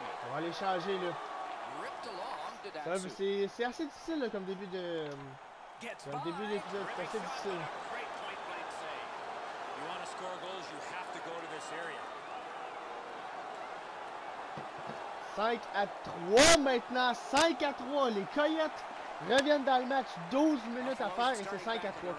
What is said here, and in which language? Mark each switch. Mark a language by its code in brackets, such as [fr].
[fr] On va aller changer là. C'est assez difficile là, comme début de... C'est le début de l'épisode, c'est assez difficile. [en] You want to score goals, you have to go to this area. [fr] 5 à 3 maintenant, 5 à 3, les Coyotes reviennent dans le match, 12 minutes à faire et c'est 5 à 3.